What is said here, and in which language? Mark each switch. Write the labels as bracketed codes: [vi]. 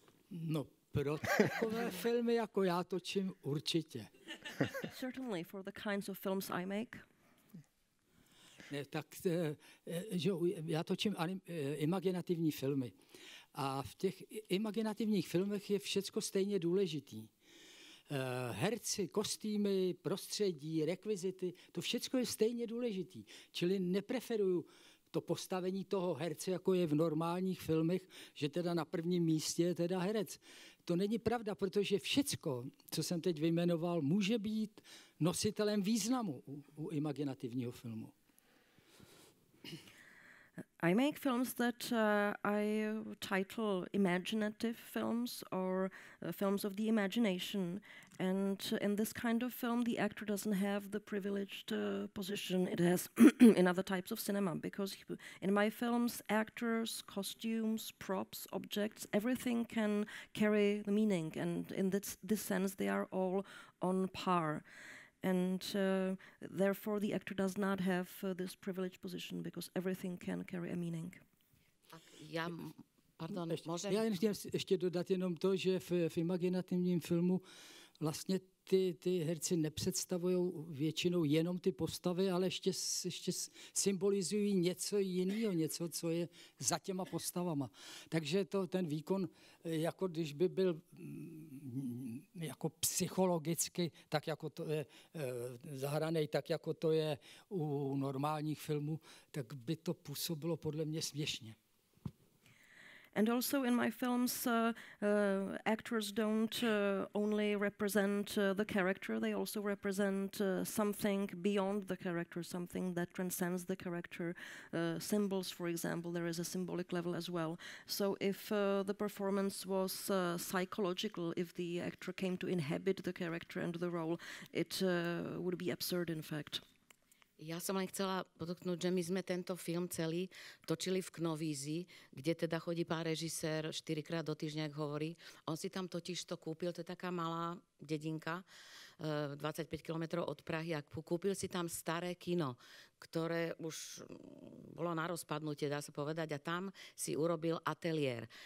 [cs] No, pro takové filmy jako já točím určitě. [en] Certainly for the kinds of films I make. [cs] Ne, tak jo, já točím imaginativní filmy. A v těch imaginativních filmech je všecko stejně důležitý. Herci, kostýmy, prostředí, rekvizity, to všecko je stejně důležitý. Čili nepreferuju to postavení toho herce, jako je v normálních filmech, že teda na prvním místě je teda herec. To není pravda, protože všecko, co jsem teď vyjmenoval, může být nositelem významu u imaginativního filmu. [en] I make films that I title imaginative films or films of the imagination. And in this kind of film, the actor doesn't have the privileged position it has in other types of cinema. Because in my films, actors, costumes, props, objects, everything can carry the meaning. And in this sense, they are all on par. And therefore, the actor does not have this privileged position because everything can carry a meaning. [cs] Já jen chtěl ještě dodat jenom to, že v imaginativním filmu vlastně ty herci nepředstavují většinou jenom ty postavy, ale ještě symbolizují něco jiného, něco, co je za těma postavama. Takže to ten výkon, jako když by byl jako psychologicky, tak jako to je zahranej, tak jako to je u normálních filmů, tak by to působilo podle mě směšně. [en] And also in my films, actors don't only represent the character, they also represent something beyond the character, something that transcends the character. Symbols, for example, there is a symbolic level as well. So if the performance was psychological, if the actor came to inhabit the character and the role, it would be absurd, in fact. [sk] Ja som len chcela podotknúť, že my sme tento film celý točili v Knovízi, kde teda chodí pán režisér 4-krát do týždňa, ak hovorí. On si tam totiž to kúpil, to je taká malá dedinka, 25 km od Prahy, a kúpil si tam staré kino, ktoré už bolo na rozpadnutie, dá sa povedať, a tam si urobil ateliér.